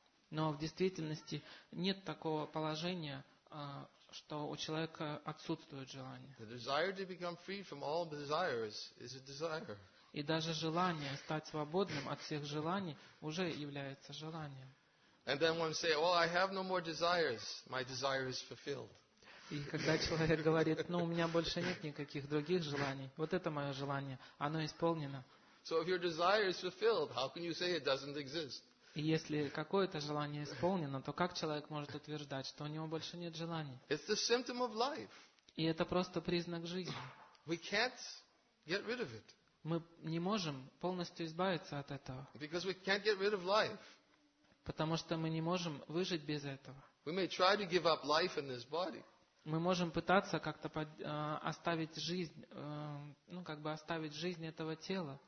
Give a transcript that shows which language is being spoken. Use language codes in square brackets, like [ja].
[ru] Но в действительности нет такого положения, что у человека отсутствует желание. И даже желание стать свободным от всех желаний уже является желанием. [en] And then one say, "Well, I have no more desires. My desire is fulfilled." [ru] И когда человек говорит, "Ну, у меня больше нет никаких других желаний. Вот это мое желание, оно исполнено." [en] So if your desire is fulfilled, how can you say it doesn't exist? [ru] И если какое-то желание исполнено, то как человек может утверждать, что у него больше нет желаний? [en] It's the symptom of life. [ru] И это просто признак жизни. [en] We can't get rid of it. [ru] Мы не можем полностью избавиться от этого. [en] Because we can't get rid of life. [ru] Потому что мы не можем выжить без этого. [en] We may try to give up life in this body. [ru] Мы можем пытаться как-то оставить жизнь, оставить жизнь этого тела.